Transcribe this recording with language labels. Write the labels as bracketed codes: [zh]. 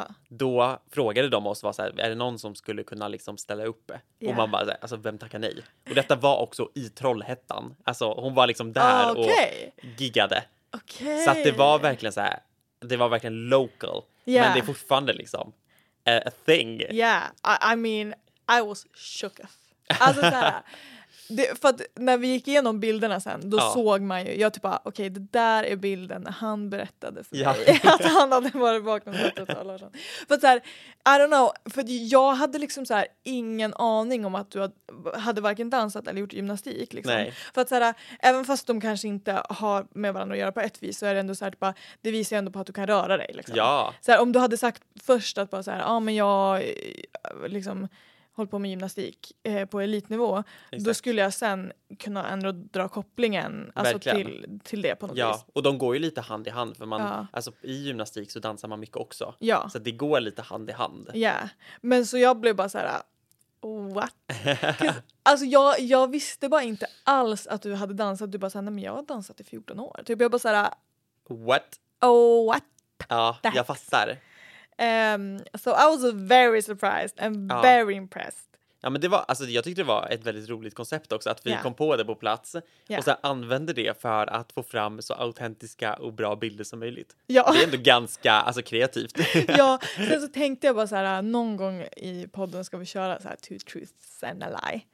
[sv] Då frågade de oss, var såhär, är det någon som skulle kunna liksom ställa upp? Yeah. Och man bara, alltså, vem tackar nej? Och detta var också i Trollhättan. Alltså hon var liksom där och giggade. Okay. Så att det var verkligen såhär, det var verkligen local. Yeah. Men det är fortfarande liksom [en] a thing. Yeah, I mean, I was shook off. [sv] Alltså såhär. Det, för att när vi gick igenom bilderna sen, då såg man ju, jag typ bara, okej, det där är bilden när han berättade för mig att han hade varit bakom Larsson. För att så här, [en] I don't know, [sv] för jag hade liksom så här ingen aning om att du hade varken dansat eller gjort gymnastik liksom. Nej. För att så här, även fast de kanske inte har med varandra att göra på ett vis, så är det ändå så här, typ bara, det visar ju ändå på att du kan röra dig liksom. Ja. Så här, om du hade sagt först att bara så här, men jag liksom håll på med gymnastik på elitnivå. Exakt. Då skulle jag sen kunna ändå dra kopplingen alltså till det på något vis. Och de går ju lite hand i hand. För man, alltså, i gymnastik så dansar man mycket också. Ja. Så det går lite hand i hand. Yeah. Men så jag blev bara så här, what? Alltså jag visste bara inte alls att du hade dansat. Du bara såhär, men jag har dansat i 14 år. Typ jag bara så här, [en] what? Oh, what? [sv] Ja, that? Jag fattar. [en] So I was very surprised and very impressed. [sv] Ja, men det var, alltså jag tyckte det var ett väldigt roligt koncept också att vi kom på det på plats och så använde det för att få fram så autentiska och bra bilder som möjligt. Ja. Det är ändå ganska alltså kreativt. Ja, sen så tänkte jag bara så här, någon gång i podden ska vi köra så här [en] two truths and a lie.